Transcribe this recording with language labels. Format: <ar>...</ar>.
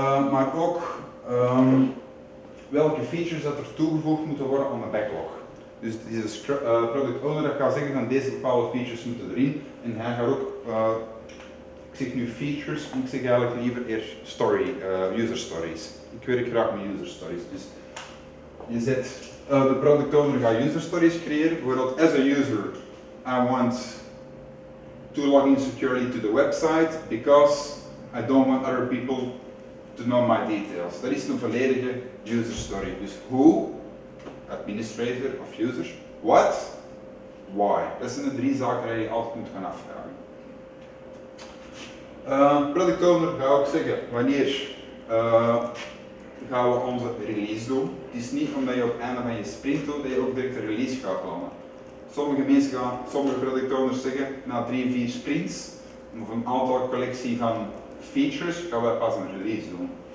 <nl>Maar ook welke features dat er toegevoegd moeten worden aan de backlog. Dus deze product owner gaat zeggen van deze bepaalde features moeten erin. En hij gaat ook, ik zeg nu features, maar ik zeg eigenlijk liever eerst story, user stories. Ik werk graag met user stories. Dus je zet, de product owner gaat user stories creëren. Bijvoorbeeld,</nl> <en>as a user, I want to log in securely to the website because I don't want other people to know my details.</en> <nl>Dat is een volledige user story. Dus who, administrator of users, what, why. Dat zijn de 3 zaken die je altijd moet gaan afvragen. Product owner gaat ook zeggen wanneer gaan we onze release doen. Het is niet omdat je op het einde van je sprint doet dat je ook direct de release gaat plannen. Sommige mensen gaan, sommige product owners zeggen, na 3-4 sprints of een aantal collectie van features, gaan wij pas een release doen.</nl>